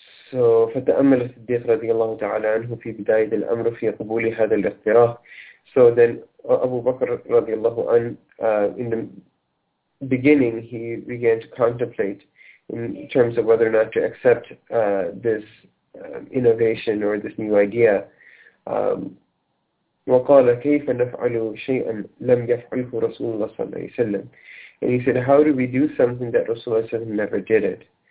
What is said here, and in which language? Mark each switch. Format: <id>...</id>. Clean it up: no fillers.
<ar>So, فتأمل الصديق رضي الله تعالى عنه في بداية الأمر في قبول هذا الاقتراح.</ar> <en>So then أبو بكر</en> <ar>رضي الله عنه</ar> <en>in the beginning he began to contemplate in terms of whether or not to accept this innovation or this new idea.</en> <ar>وقال كيف نفعل شيئا لم يفعله رسول الله صلى الله عليه وسلم.</ar> <en>And he said, how do we do something that Rasulullah said he never did it?</en>